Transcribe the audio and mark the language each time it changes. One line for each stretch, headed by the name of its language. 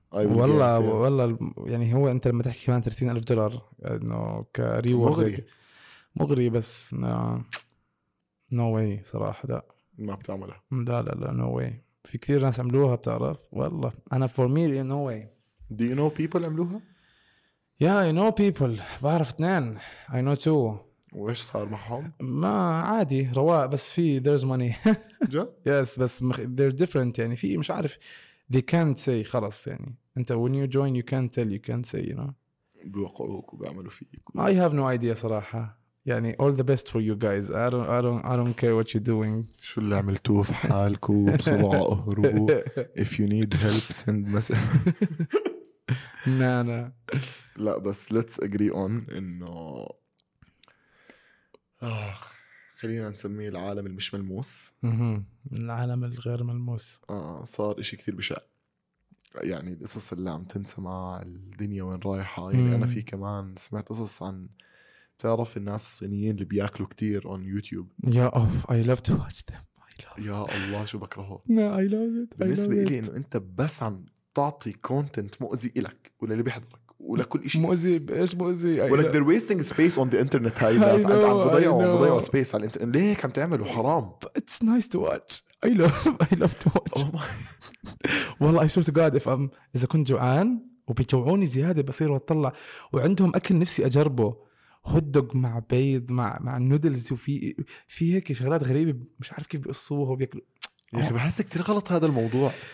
Arabic: والله والله يعني هو أنت لما تحكي كمان 30,000 دولار إنه كريورد مغري بس
English: no way
Arabic: صراحة لا ما بتعملها لا لا لا no way في كثير ناس عملوها بتعرف والله أنا
English: for me no way do you know people
Arabic: عملوها
English: yeah I know people
Arabic: بعرف اثنين
English: I know two
Arabic: وإيش صار معهم
English: ما عادي رواء بس في there's money yes بس they're different
Arabic: يعني في مش عارف
English: they can't say خلاص يعني أنت when you join you can't tell you can't say you know
Arabic: بوقعوك وبعملوا فيك
English: I have no idea
Arabic: صراحة يعني
English: all the best for you guys I don't care what you're doing
Arabic: شو اللي عملتوه في حالكو بسرعة اهربوا
English: if you need help send message نانا
Arabic: لا بس
English: let's agree on
Arabic: انه خلينا نسميه العالم المش ملموس العالم الغير ملموس صار اشي كتير بشع يعني القصص اللي عم تنسمع الدنيا وين رايحة يعني انا في كمان سمعت قصص عن تعرف الناس الصينيين اللي بياكلوا كتير on يوتيوب
English: يا اوف I love to watch them I love
Arabic: يا الله شو بكرهه
English: no, I love it
Arabic: بالنسبة لي انه انت بس عم تعطي content مؤذي إلك ولا اللي بيحضرك ولا كل اشي مؤذي ايش مؤذي ولك
English: they're wasting space on the internet
Arabic: هاي الناس عم بضيعوا space على الانترنت ليه هيك عم تعملوا حرام
English: But it's nice to watch I love to watch oh my.
Arabic: والله
English: I swear to God
Arabic: إذا كنت جوعان وبيجوعوني زيادة بصير واتطلع وعندهم أكل نفسي أجربه هدوغ مع بيض مع النودلز وفي هيك شغلات غريبة مش عارف كيف بيقصوها وبيأكلوا يا أخي بحس كتير غلط هذا الموضوع